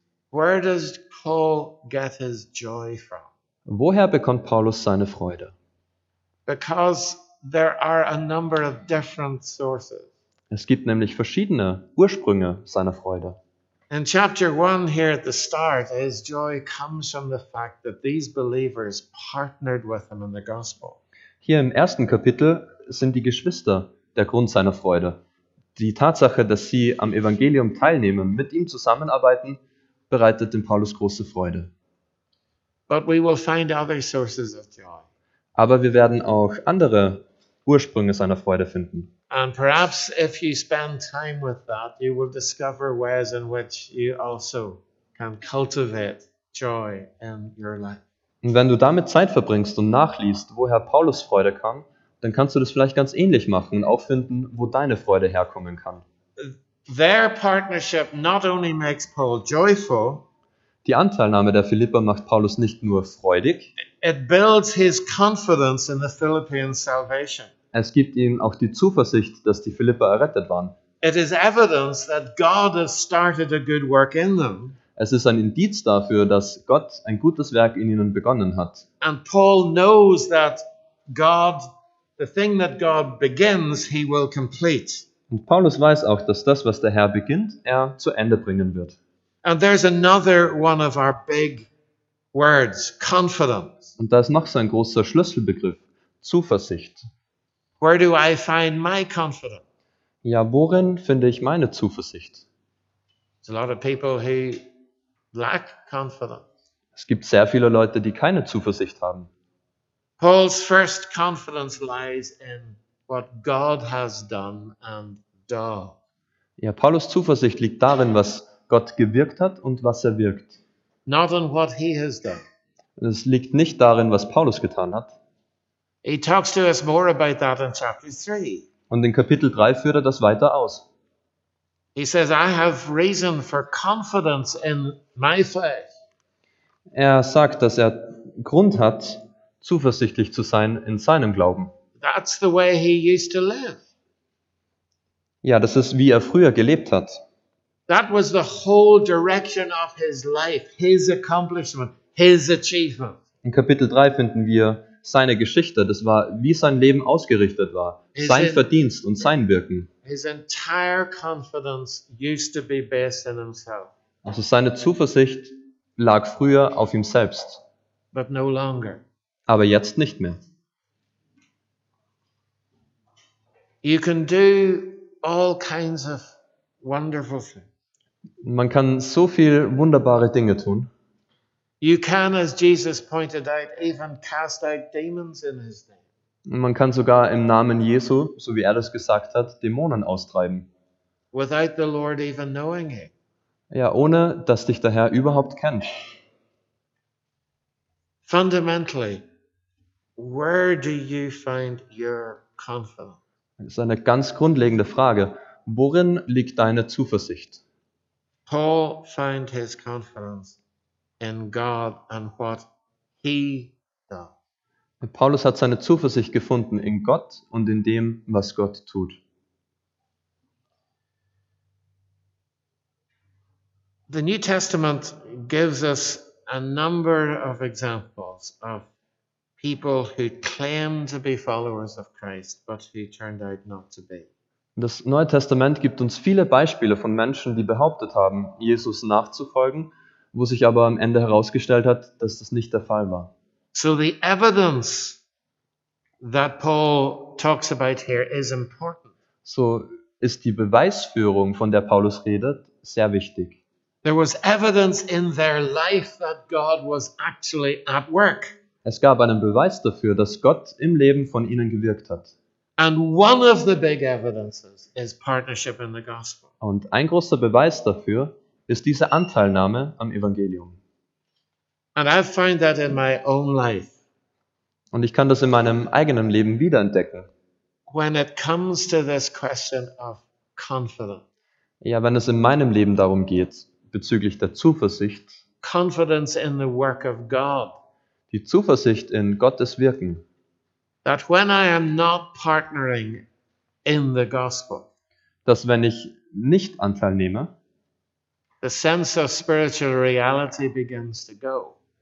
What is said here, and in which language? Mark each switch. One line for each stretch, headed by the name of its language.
English: Where does Paul get his joy from?
German: Woher bekommt Paulus seine Freude?
English: Because there are a number of different sources.
German: Es gibt nämlich verschiedene Ursprünge seiner Freude.
English: In chapter 1 here at the start, his joy comes from the fact that these believers partnered with him in the gospel.
German: Hier im ersten Kapitel sind die Geschwister der Grund seiner Freude. Die Tatsache, dass sie am Evangelium teilnehmen, mit ihm zusammenarbeiten, bereitet dem Paulus große Freude.
English: But we will find other sources of joy.
German: Aber wir werden auch andere Ursprünge seiner Freude finden.
English: And perhaps if you spend time with that, you will discover ways in which you also can cultivate joy in your life.
German: Und wenn du damit Zeit verbringst und nachliest, woher Paulus Freude kam, dann kannst du das vielleicht ganz ähnlich machen und auch finden, wo deine Freude herkommen kann.
English: Their partnership not only makes Paul joyful,
German: die Anteilnahme der Philipper macht Paulus nicht nur freudig,
English: it builds his confidence in the Philippians' salvation.
German: Es gibt ihm auch die Zuversicht, dass die Philipper errettet waren.
English: It is evidence that God has started a good work in them.
German: Es ist ein Indiz dafür, dass Gott ein gutes Werk in ihnen begonnen hat.
English: And Paul knows that God, the thing that God begins, he will complete.
German: Und Paulus weiß auch, dass das, was der Herr beginnt, er zu Ende bringen wird.
English: And there's another one of our big words, confidence.
German: Und da ist noch so ein großer Schlüsselbegriff, Zuversicht.
English: Where do I find my confidence?
German: Ja, worin finde ich meine Zuversicht?
English: There's a lot of people who lack confidence.
German: Es gibt sehr viele Leute, die keine Zuversicht haben.
English: Paul's first confidence lies in what God has done and does.
German: Ja, Paulus Zuversicht liegt darin, was Gott gewirkt hat und was er wirkt.
English: Not in what he has done.
German: Es liegt nicht darin, was Paulus getan hat.
English: He talks to us more about that in chapter 3.
German: Und in Kapitel 3 führt er das weiter aus.
English: He says, I have reason for confidence in my faith.
German: Er sagt, dass er Grund hat, zuversichtlich zu sein in seinem Glauben.
English: That's the way he used to live.
German: Ja, das ist, wie er früher gelebt hat.
English: That was the whole direction of his life, his accomplishment, his achievement.
German: In Kapitel 3 finden wir seine Geschichte, das war, wie sein Leben ausgerichtet war, sein Verdienst und sein Wirken.
English: His entire confidence used to be based in himself.
German: Also seine Zuversicht lag früher auf ihm selbst.
English: But no longer.
German: Aber jetzt nicht mehr.
English: You can do all kinds of wonderful things.
German: Man kann so viel wunderbare Dinge tun.
English: You can, as Jesus pointed out, even cast out demons in his name.
German: Man kann sogar im Namen Jesu, so wie er das gesagt hat, Dämonen austreiben.
English: Without the Lord even knowing it.
German: Ja, ohne dass dich der Herr überhaupt kennt.
English: Fundamentally, Where do you find your confidence?
German: Das ist eine ganz grundlegende Frage. Worin liegt deine Zuversicht?
English: Paul found his confidence in God and what he does.
German: Paulus hat seine Zuversicht gefunden in Gott und in dem, was Gott tut.
English: The New Testament gives us a number of examples of people who claim to be followers of Christ, but who turned out not to be.
German: Das Neue Testament gibt uns viele Beispiele von Menschen, die behauptet haben, Jesus nachzufolgen, wo sich aber am Ende herausgestellt hat, dass das nicht der Fall war.
English: So the evidence that Paul talks about here is important.
German: So ist die Beweisführung, von der Paulus redet, sehr wichtig.
English: There was evidence in their life that God was actually at work.
German: Es gab einen Beweis dafür, dass Gott im Leben von ihnen gewirkt hat.
English: And one of the big evidences is partnership in the gospel.
German: Und ein großer Beweis dafür ist diese Anteilnahme am Evangelium.
English: And I find that in my own life.
German: Und ich kann das in meinem eigenen Leben wiederentdecken.
English: When it comes to this question of confidence.
German: Ja, wenn es in meinem Leben darum geht, bezüglich der Zuversicht.
English: Confidence in the work of God.
German: Die Zuversicht in Gottes Wirken.
English: That when I am not partnering in the gospel.
German: Dass wenn ich nicht Anteil nehme.
English: The sense of spiritual reality begins to go.